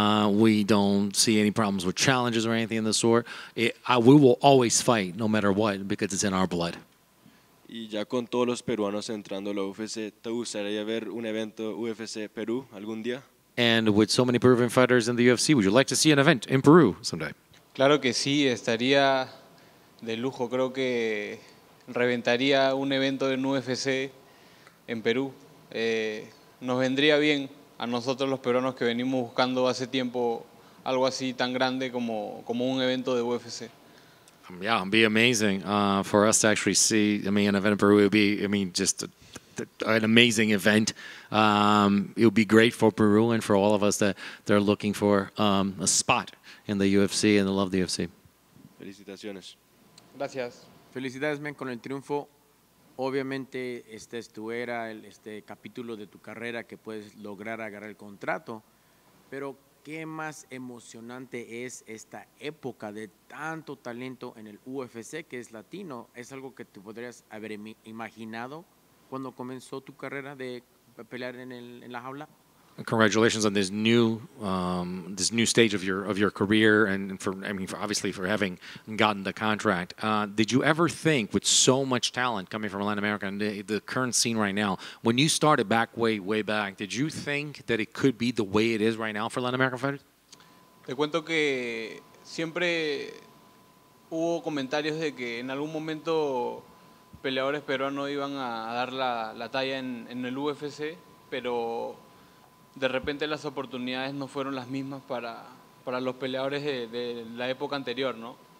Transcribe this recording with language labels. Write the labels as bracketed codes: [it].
[en] We don't see any problems with challenges or anything of the sort. We will always fight, no matter what, because it's in our blood. [es] Y ya con todos los peruanos entrando a la UFC, ¿te gustaría ver un evento UFC Perú algún día? [en] And with so many Peruvian fighters in the UFC, would you like to see an event in Peru someday? [es] Claro que sí, estaría de lujo. Creo que reventaría un evento en UFC en Perú. Nos vendría bien. A nosotros los peruanos que venimos buscando hace tiempo algo así tan grande como un evento de UFC. [en] Yeah, it'd be amazing for us to actually see. I mean, an event in Peru would be, I mean, just an amazing event. It would be great for Peru and for all of us that are looking for a spot in the UFC and the love of the UFC. [es] Felicitaciones. Gracias. Felicidades, men, con el triunfo. Obviamente, tú era este capítulo de tu carrera que puedes lograr agarrar el contrato, pero ¿qué más emocionante es esta época de tanto talento en el UFC que es latino? ¿Es algo que tú podrías haber imaginado cuando comenzó tu carrera de pelear en la jaula? [en] congratulations on this new stage of your career, and for having gotten the contract. Did you ever think, with so much talent coming from Latin America and the current scene right now, when you started back way back, did you think that it could be the way it is right now for Latin American fighters? [es] Te cuento que siempre hubo comentarios de que en algún momento peleadores peruanos iban a dar la talla en el UFC, pero de repente las oportunidades no fueron las mismas para los peleadores de la época anterior, ¿no?